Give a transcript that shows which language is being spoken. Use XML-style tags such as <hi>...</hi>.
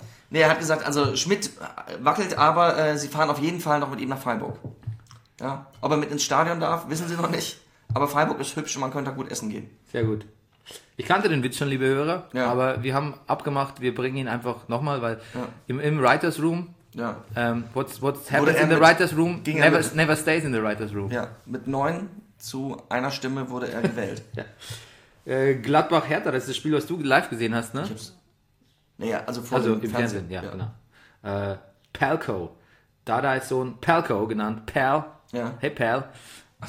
<de>Nee, er hat gesagt, also Schmidt wackelt, aber sie fahren auf jeden Fall noch mit ihm nach Freiburg. Ja. Ob er mit ins Stadion darf, wissen sie noch nicht. Aber Freiburg ist hübsch und man könnte da gut essen gehen. Sehr gut. Ich kannte den Witz schon, liebe Hörer. Ja. Aber wir haben abgemacht, wir bringen ihn einfach nochmal, weil im Writer's Room... Ja.</de> <en>What's happened in the Writer's Room never stays in the Writer's Room.</en> <de>Ja, mit 9... Zu einer Stimme wurde er gewählt. Ja. Gladbach-Hertha, das ist das Spiel, was du live gesehen hast, ne? Ich hab's. Naja, also vor also dem im Fernsehen. Fernsehen, ja, ja. Genau. Palco, Dardai-Sohn, Palco genannt, Pal, ja. Hey Pal, ach</de>